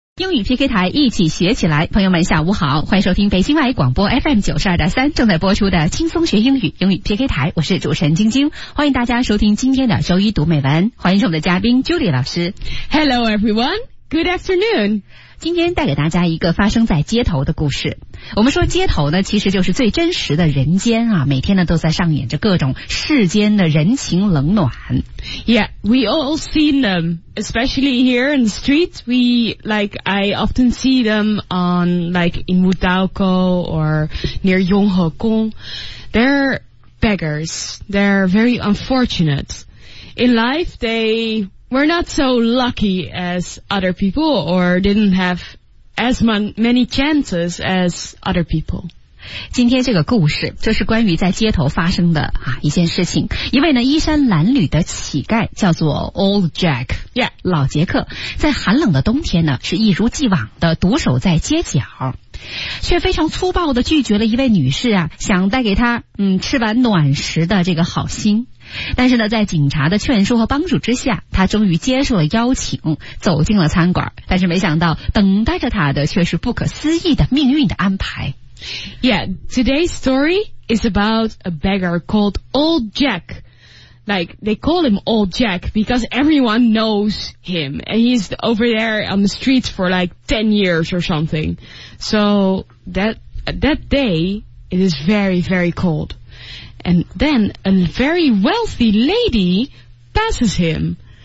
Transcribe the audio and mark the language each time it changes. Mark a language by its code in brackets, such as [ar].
[zh] 英语 PK 台一起学起来，朋友们下午好，欢迎收听北京外语广播 FM92.3 正在播出的轻松学英语英语 PK 台，我是主持人晶晶，欢迎大家收听今天的周一读美文，欢迎我们的嘉宾 Julie 老师。 [en] Hello everyone, good afternoon。 [zh] 今天带给大家一个发生在街头的故事。我们说街头呢，其实就是最真实的人间啊，每天呢都在上演着各种世间的人情冷暖。 [en] Yeah, we all seen them, especially here in the streets. We, like, I often see them on, like, in Wudaoko or near Yonghekong. They're beggars. They're very unfortunate. In life, they... We're not so lucky as other people or didn't have as many chances as other people. [zh] 今天这个故事就是关于在街头发生的啊一件事情。一位呢衣衫褴褛的乞丐叫做 Old Jack. [en] Yeah. [zh] 老杰克在寒冷的冬天呢是一如既往的独守在街角。却非常粗暴地拒绝了一位女士啊想带给她吃碗暖食的这个好心。但是呢在警察的劝说和帮助之下，他终于接受了邀请，走进了餐馆，但是没想到等待着他的却是不可思议的命运的安排。 [en] Yeah, today's story is about a beggar called Old Jack. Like, they call him Old Jack because everyone knows him and he's over there on the streets for like 10 years or something. So that day it is very, very coldAnd then a very wealthy lady passes him.